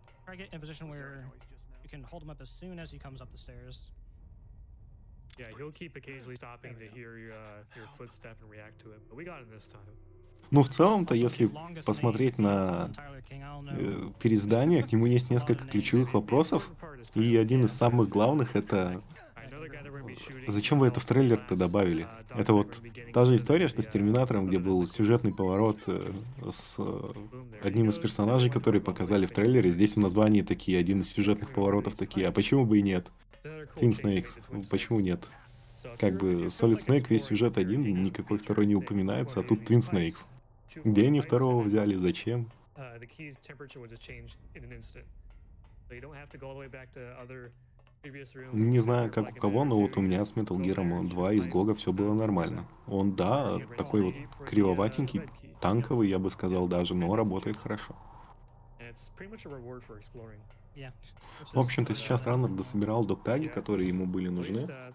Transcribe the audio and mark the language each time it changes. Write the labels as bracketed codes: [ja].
[en] I get in a position where you can hold him up as soon as he comes up the stairs. Yeah, he'll keep occasionally stopping to hear your footstep and react to it, but we got him this time. [ru] Ну, в целом-то, если посмотреть на переиздание, к нему есть несколько ключевых вопросов, и один из самых главных — это зачем вы это в трейлер-то добавили? Это вот та же история, что с Терминатором, где был сюжетный поворот с одним из персонажей, которые показали в трейлере. Здесь в названии такие, один из сюжетных поворотов такие. А почему бы и нет? Twin Snakes. Почему нет? Как бы Solid Snake, весь сюжет один, никакой второй не упоминается, а тут Twin Snakes. Где они второго взяли? Зачем? [en] So you don't have to go all the way back to other [ru] Не знаю, как у кого, но вот у меня с Metal Gear 2 из Гога все было нормально. Он, да, такой вот кривоватенький, танковый, я бы сказал даже, но работает хорошо. В общем-то, сейчас Раннер дособирал доктаги, которые ему были нужны.